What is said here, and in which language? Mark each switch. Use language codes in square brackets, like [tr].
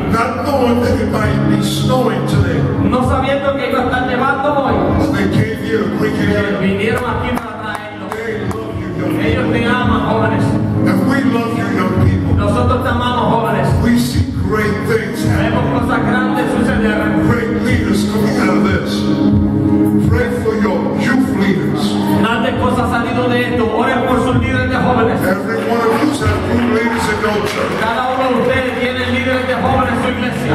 [en] Not knowing that it might be snowing today. [es] No sabiendo que iba a estar nevando hoy. [en] But they came here to bring it here. [es] Vinieron aquí para traerlo. [en] They love you, young [es] ellos [en] people. [es] Te aman, jóvenes. [en] If we love you, young people. [es] Nosotros te amamos, jóvenes. [en] We see great things happening. [es] Vemos cosas grandes suceder. [en] Great leaders coming out of this. Pray for your youth leaders. [es] Grandes cosas han salido de esto. Oren por sus líderes de jóvenes. [en] Every one of you has good leaders in your church. [es] Cada uno de ustedes tiene líderes de jóvenes en su iglesia.